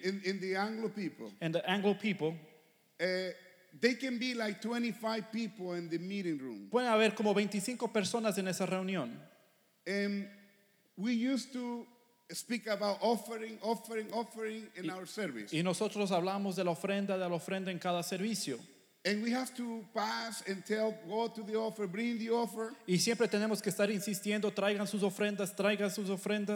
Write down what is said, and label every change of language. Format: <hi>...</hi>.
<en>In the Anglo people. And the Anglo people. They can be like 25 people in the meeting room.</en> <es>Pueden haber como 25 personas en esa reunión.</es> <en>We used to speak about offering in our service.</en> <es>Y nosotros hablamos de la ofrenda en cada servicio.</es> <en>And we have to pass and tell, go to the offer, bring the offer.</en> <es>Y siempre tenemos que estar insistiendo, traigan sus ofrendas.</es>